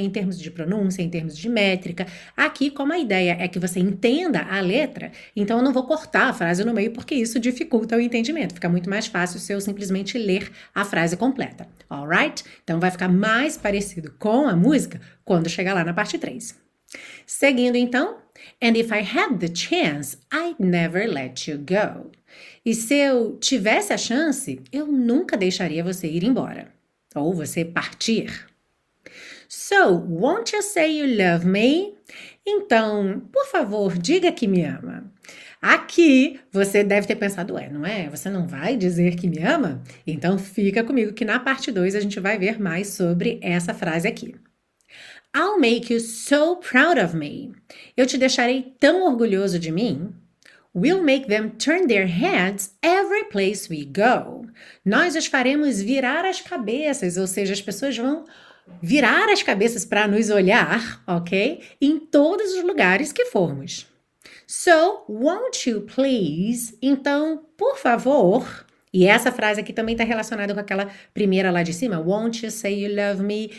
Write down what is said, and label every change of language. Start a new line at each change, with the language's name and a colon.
Portuguese: Em termos de pronúncia, em termos de métrica. Aqui, como a ideia é que você entenda a letra, então eu não vou cortar a frase no meio porque isso dificulta o entendimento. Fica muito mais fácil se eu simplesmente ler a frase completa.
English: Alright?
Portuguese: Então vai ficar mais parecido com a música quando chegar lá na parte 3. Seguindo então.
English: And if I had the chance, I'd never let you go.
Portuguese: E se eu tivesse a chance, eu nunca deixaria você ir embora. Ou você partir.
English: So, won't you say you love me?
Portuguese: Então, por favor, diga que me ama. Aqui você deve ter pensado, ué, não é? Você não vai dizer que me ama? Então fica comigo que na parte 2 a gente vai ver mais sobre essa frase aqui.
English: I'll make you so proud of me.
Portuguese: Eu te deixarei tão orgulhoso de mim.
English: We'll make them turn their heads every place we go.
Portuguese: Nós os faremos virar as cabeças, ou seja, as pessoas vão virar as cabeças para nos olhar, ok? Em todos os lugares que formos.
English: So, won't you please?
Portuguese: Então, por favor. E essa frase aqui também está relacionada com aquela primeira lá de cima,
English: Won't you say you love me?